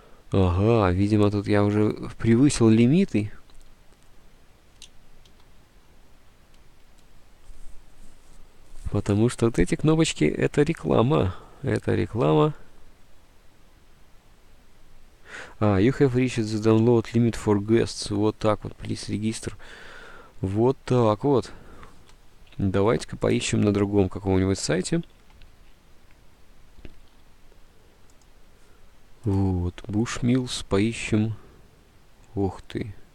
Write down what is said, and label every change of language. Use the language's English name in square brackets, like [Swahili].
[Russian] Ага, видимо, тут я уже превысил лимиты. Потому что вот эти кнопочки — это реклама. Это реклама. [English] А, you have reached the download limit for guests. [Russian] Вот так вот, [English] please register. [Russian] Вот так вот. Давайте-ка поищем на другом каком-нибудь сайте. Вот, Bushmills поищем. Ух ты.